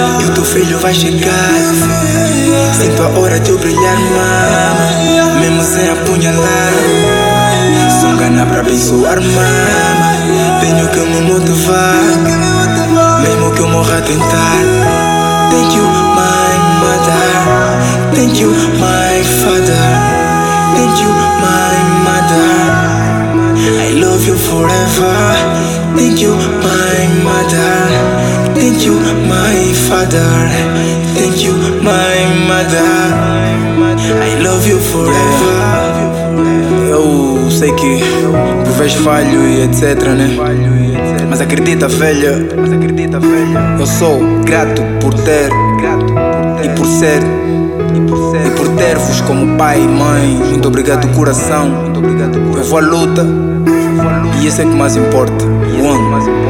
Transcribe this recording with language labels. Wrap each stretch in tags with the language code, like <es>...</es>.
<pt>E o teu filho vai chegar. Sinto a hora de eu brilhar mamã, mesmo sem apunhalar. Sou um gana pra abençoar mama, tenho que me motivar, mesmo que eu morra a tentar.</pt> <en>Thank you my mother, thank you my father, thank you my mother, I love you forever. Thank you my mother, thank you my father, thank you my mother, I love you forever.</en> <pt>Eu sei que por vezes falho e etc, né? Mas acredita, velho. Eu sou grato por ter e por ser e por ter-vos como pai e mãe. Muito obrigado, coração. Eu vou à luta e isso é que mais importa. One.</pt>